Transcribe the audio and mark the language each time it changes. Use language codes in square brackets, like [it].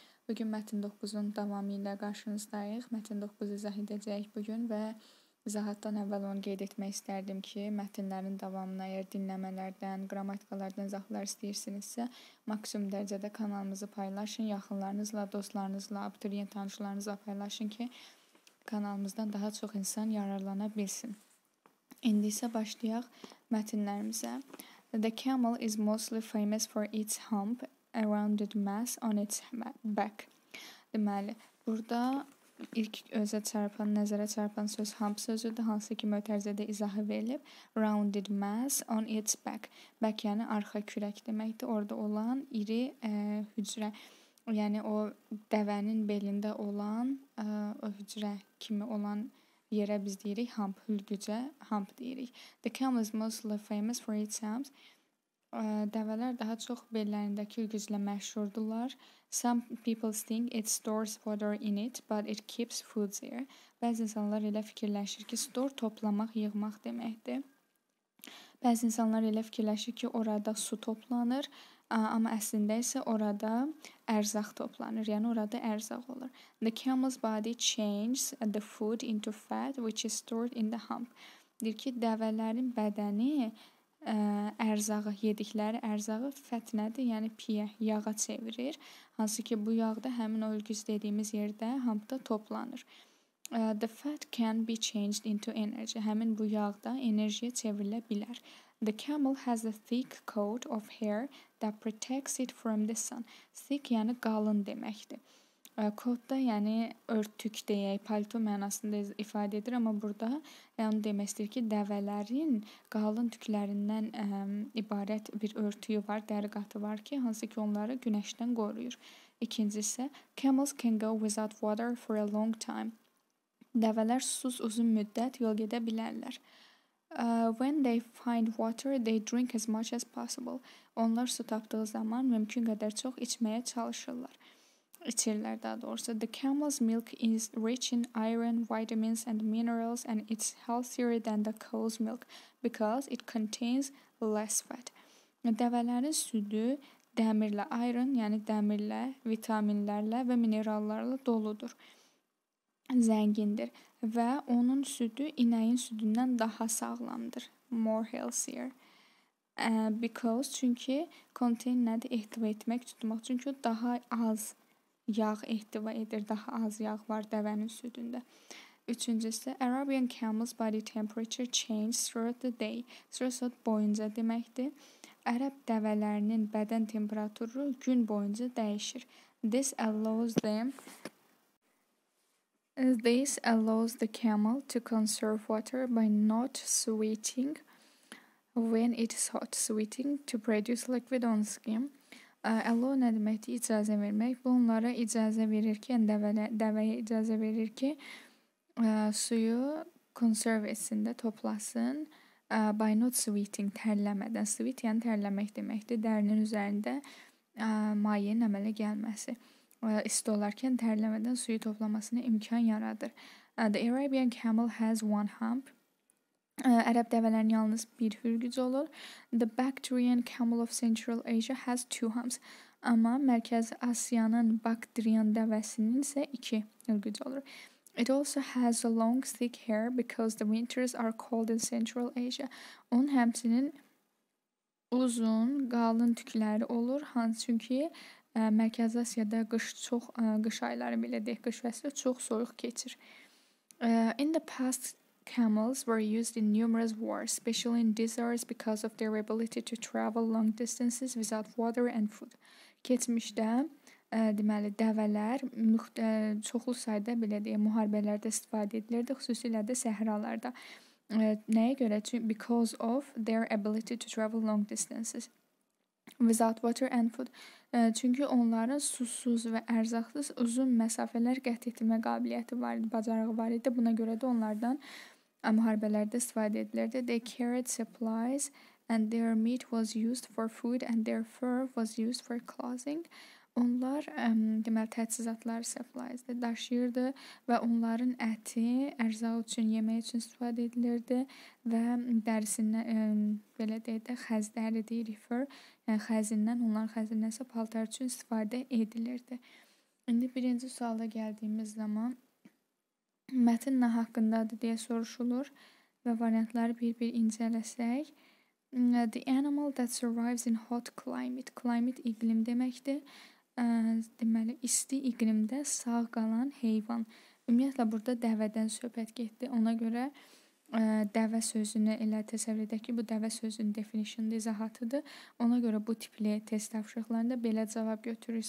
[az] Bugün mətn 9-un davamı ilə qarşınızdayıq. Mətn 9-u izah edəcəyik bugün və izahatdan əvvəl onu qeyd etmək istərdim ki, mətnlərin davamına əgər dinləmələrdən, qrammatikalardan izahlar istəyirsinizsə, maksimum dərəcədə kanalımızı paylaşın, yaxınlarınızla, dostlarınızla, abituriyent tanışlarınızla paylaşın ki, kanalımızdan daha çox insan yararlana bilsin. İndi isə başlayaq mətnlərimizə. [en] The camel is mostly famous for its hump, a rounded mass on its back. [az] Deməli, burada ilk özə çarpan, nəzərə çarpan söz hump sözüdür, hansı ki, mötərzədə izahı verilib. [en] Rounded mass on its back. [az] Back yəni arxa kürək deməkdir. Orada olan iri hücrə, yəni o dəvənin belində olan o hücrə kimi olan yerə biz deyirik hump, hülgücə hump deyirik. [en] The camel is mostly famous for its humps. [az] Dəvələr daha çox bellərindəki hülgüclə məşhurdurlar. [en] Some people think it stores water in it, but it keeps food there. [az] Bəzi insanlar elə fikirləşir ki, store toplamaq, yığmaq deməkdir. Bəzi insanlar elə fikirləşir ki, orada su toplanır. Amma əslində isə orada ərzaq toplanır, yəni orada ərzaq olur. [en] The camel's body changes the food into fat, which is stored in the hump. [az] Deyir ki, dəvələrin bədəni ərzağı, yedikləri ərzağı fət nədir? Yəni piyə, yağa çevirir. Hansı ki, bu yağ da həmin o ölgüz dediyimiz yerdə, humpda toplanır. [en] The fat can be changed into energy. [az] Həmin bu yağ da enerjiyə çevrilə bilər. [en] The camel has a thick coat of hair that protects it from the sun. [az] Thick yəni qalın deməkdir. Coat da yəni örtük deyək, palto mənasında ifadə edir, amma burada onu demək istəyir ki, dəvələrin qalın tüklərindən ibarət bir örtüyü var, dəri qatı var ki, hansı ki onları günəşdən qoruyur. İkincisi, [en] camels can go without water for a long time. [az] Dəvələr susuz uzun müddət yol gedə bilərlər. When they find water, they drink as much as possible. Onlar su tapdığı zaman mümkün qədər çox içməyə çalışırlar. İçirlər daha doğrusu. [en] The camel's milk is rich in iron, vitamins and minerals and it's healthier than the cow's milk because it contains less fat. [az] Dəvələrin südü dəmirlə, iron, yəni dəmirlə, vitaminlərlə və minerallarla doludur. Zəngindir. Və onun südü inəyin südündən daha sağlamdır. [en] More healthier. Because, [az] çünki [en] contain [az] nədir? Ehtiva etmək, tutmaq. Çünki daha az yağ ehtiva edir. Daha az yağ var dəvənin südündə. Üçüncüsü, [en] Arabian camel's body temperature changes throughout the day. Throughout [az] boyunca deməkdir. Ərəb dəvələrinin bədən temperaturu gün boyunca dəyişir. [en] This allows them... This allows the camel to conserve water by not sweating when it is hot. Sweating to produce liquid on skin. Allow [az] nə deməkdir? İcazə vermək. Bu, onlara icazə verir ki, dəvəyə icazə verir ki, suyu conserve etsin də, toplasın. [en] By not sweating, [az] tərləmədən. [en] Sweet, [az] yəni tərləmək deməkdir. Dərinin üzərində mayenin əmələ gəlməsi. İsti olarkən tərləmədən suyu toplamasına imkan yaradır. [en] The Arabian camel has one hump. [az] Ərəb dəvələrin yalnız bir hürgüc olur. [en] The Bactrian camel of Central Asia has two humps. [az] Amma Mərkəz Asiyanın Bactrian dəvəsinin isə iki hürgüc olur. [en] It also has a long thick hair because the winters are cold in Central Asia. [az] Onun həmsinin uzun, qalın tükləri olur. Çünki Mərkəz Asiyada qış çox qış ayları belə deyək, qış fəsli çox soyuq keçir. [en] In the past, camels were used in numerous wars, especially in deserts because of their ability to travel long distances without water and food. [az] Keçmişdə deməli dəvələr çoxlu sayda belə deyək, müharibələrdə istifadə edilirdi, xüsusilə də səhralarda. Nəyə görə? [en] Because of their ability to travel long distances without water and food. [az] Çünki onların susuz və ərzaqsız uzun məsafələr qət etmə qabiliyyəti var idi, bacarığı var idi. Buna görə də onlardan müharibələrdə istifadə edilirdi. [en] They carried supplies and their meat was used for food and their fur was used for clothing. [az] Onlar deməli təchizatları səflayızdı, daşıyırdı və onların əti ərza üçün, yemək üçün istifadə edilirdi və dərisindən belə deyək də xəzləri deyirik fur, yəni xəzindən, onların xəzindən isə paltar üçün istifadə edilirdi. İndi birinci suala gəldiyimiz zaman mətn nə haqqındadır deyə soruşulur və variantları bir-bir incələsək. [en] The animal that survives in hot climate. [az] Climate iqlim deməkdir. Deməli, isti iqlimdə sağ qalan heyvan. Ümumiyyətlə, burada dəvədən söhbət getdi. Ona görə dəvə sözünü elə təsəvvür edək ki, bu dəvə sözünün definition izahatıdır. Ona görə bu tipli test tapşırıqlarında belə cavab götürür.